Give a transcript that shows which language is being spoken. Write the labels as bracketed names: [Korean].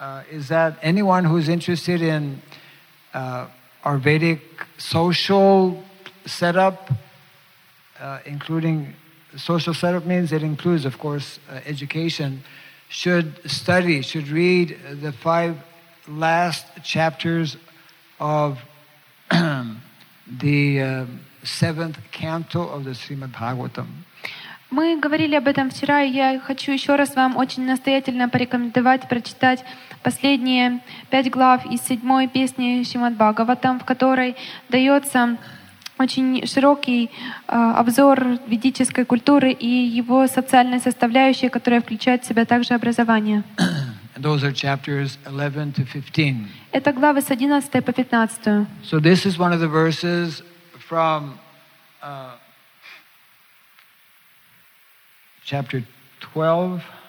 [English] Is that anyone who's interested in our Vedic social setup, including social setup means it includes, of course, education, should read the five last chapters of the seventh canto of the Srimad Bhagavatam. [Russian] Мы говорили об этом вчера, и я хочу еще раз вам очень настоятельно порекомендовать прочитать последние пять глав из седьмой песни Шримад Бхагаватам, в которой дается очень широкий обзор ведической культуры и его социальной составляющей, которая включает в себя также образование. [English] Those are chapters 11 to 15. [Russian] Это главы с 11 по 15. [English] So this is one of the verses from Chapter 12.